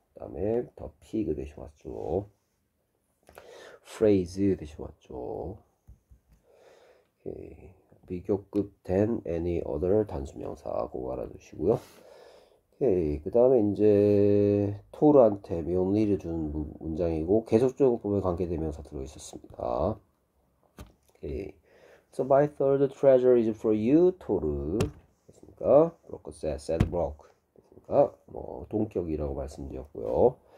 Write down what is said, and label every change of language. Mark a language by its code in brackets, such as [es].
[ko] 그다음에 the pig 대신 왔죠. 프레이즈 대신 왔죠. 오케이. 비교급 된 any other 단수 명사 꼭 알아두시고요. 오케이. 그 다음에 이제 토르한테 묘니를 주는 문장이고 계속적으로 보면 관계대 명사 들어있었습니다. 오케이. [en] So my third treasure is for you, 토르. [ko] 됐습니까? [en] Brock said Brock. 됐습니까? [ko] 뭐 동격이라고 말씀드렸고요.